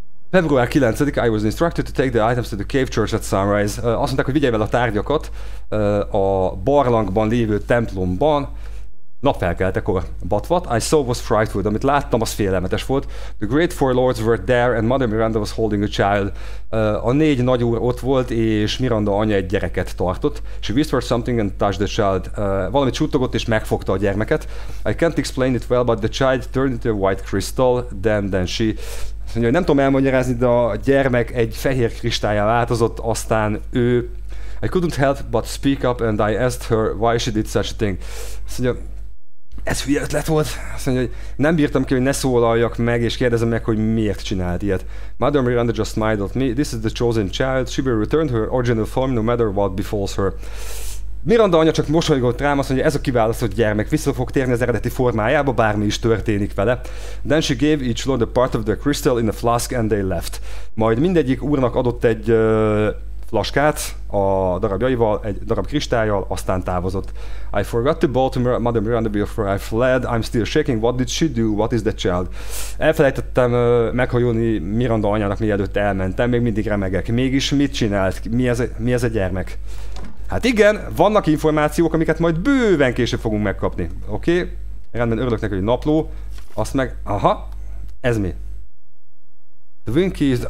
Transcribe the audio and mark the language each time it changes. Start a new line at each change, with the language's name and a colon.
Hungarian: Február 9-a,
English: I was instructed to take the items to the cave church at sunrise.
Hungarian: Azt mondták, hogy vigyem el a tárgyakat a barlangban lévő templomban, napfelkeltekor.
English: But what I saw was frightful,
Hungarian: amit láttam, az félelmetes volt.
English: The great four lords were there, and Mother Miranda was holding a child.
Hungarian: A négy nagy úr ott volt, és Miranda anya egy gyereket tartott.
English: She whispered something and touched the child.
Hungarian: Valamit suttogott, és megfogta a gyermeket.
English: I can't explain it well, but the child turned into a white crystal, then she...
Hungarian: Azt mondja, hogy nem tudom elmagyarázni, de a gyermek egy fehér kristállyá változott, aztán ő...
English: I couldn't help but speak up, and I asked her why she did such a thing.
Hungarian: Azt mondja, ez hülye ötlet volt. Azt mondja, hogy nem bírtam ki, hogy ne szólaljak meg, és kérdezem meg, hogy miért csinált ilyet.
English: Mother Miranda just smiled at me. This is the chosen child. She will return to her original form no matter what befalls her.
Hungarian: Miranda anya csak mosolygott rám, azt mondja, ez a kiválasztott gyermek vissza fog térni az eredeti formájába, bármi is történik vele.
English: Then she gave each lord a part of the crystal in a flask, and they left.
Hungarian: Majd mindegyik úrnak adott egy... flaskát a darabjaival, egy darab kristállyal, aztán távozott.
English: I forgot to bolt Mother Miranda before I fled. I'm still shaking. What did she do? What is the child?
Hungarian: Elfelejtettem meghajolni Miranda anyának, mielőtt elmentem. Még mindig remegek. Mégis mit csinált? Mi ez a gyermek? Hát igen, vannak információk, amiket majd bőven később fogunk megkapni. Oké? Rendben, örülök neki, hogy napló. Azt meg... Aha, ez mi? The Winkies...